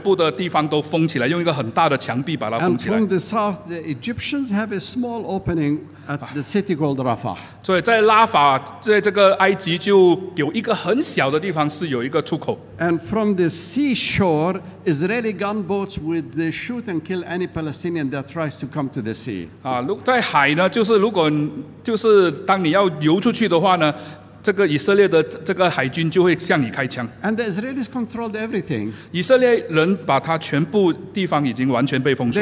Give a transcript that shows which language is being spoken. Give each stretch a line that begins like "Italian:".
Chinese: 在东边呢，以色列就把全部的地方都封起来，用一个很大的墙壁把它封起来。
English: And from the south, the Egyptians have a small opening at the city called Rafah.
Chinese: 所以在拉法，在这个埃及就有一个很小的地方是有一个出口。
English: And from the seashore, Israeli gunboats would shoot and kill any Palestinian that tries to come to the sea.
Chinese: 在海呢，就是如果当你要游出去的话呢。这个以色列的这个海军就会向你开枪。
English: And the Israelis controlled everything.
Chinese: 以色列人把他全部地方已经完全被封锁。